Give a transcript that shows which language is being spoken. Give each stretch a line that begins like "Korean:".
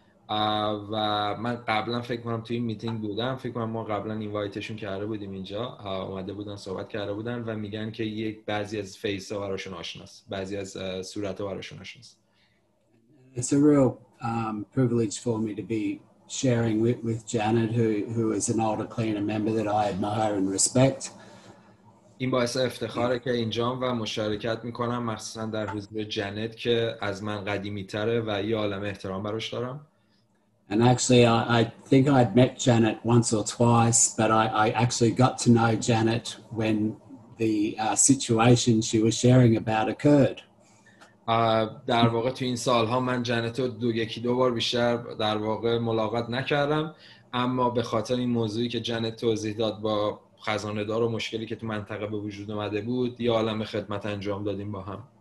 Persian: و من قبلا فکر کنم توی این میتینگ بودم، فکر کنم ما قبلا اینوایتشون کرده بودیم اینجا، اومده بودن صحبت کرده بودن و میگن که یک بعضی از فیس ها براشون آشناست، بعضی از صورت ها براشون آشناست.
English: It's a real privilege for me to be sharing with Janet, who is an older cleaner member that I admire and respect.
Persian: این باعث افتخاره که اینجام و مشارکت میکنم، مخصوصا در حضور جنت که از من قدیمی تره و یه عالم احترام براش دارم.
English: And actually, I think I'd met Janet once or twice, but I actually got to know Janet when the situation she was sharing about occurred.
Persian: در واقع تو این سالها من جنت رو دو بار بیشتر در واقع ملاقات نکردم، اما به خاطر این موضوعی که جنت توضیح داد با خزانه دار و مشکلی که تو منطقه به وجود اومده بود، یه عالم خدمت انجام دادیم با هم.